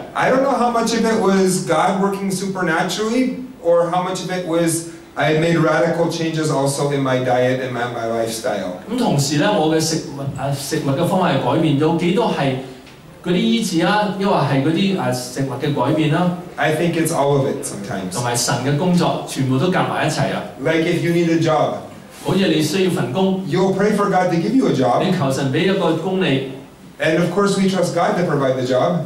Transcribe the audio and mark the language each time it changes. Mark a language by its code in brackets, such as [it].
[en] I don't know how much of it was God working supernaturally, or how much of it was I had made radical changes also in my diet and my lifestyle. [yue] 咁同時咧，我嘅食物嘅方法係改變咗，幾多係嗰啲醫治啊，亦或係嗰啲食物嘅改變啦、啊。 [en] I think it's all of it sometimes. [yue] 同埋神嘅工作，全部都夾埋一齊啊。 [en] Like if you need a job. [yue] 好似你需要份工。 [en] You'll pray for God to give you a job. [yue] 你求神俾一個工你。 [en] And of course, we trust God to provide the job.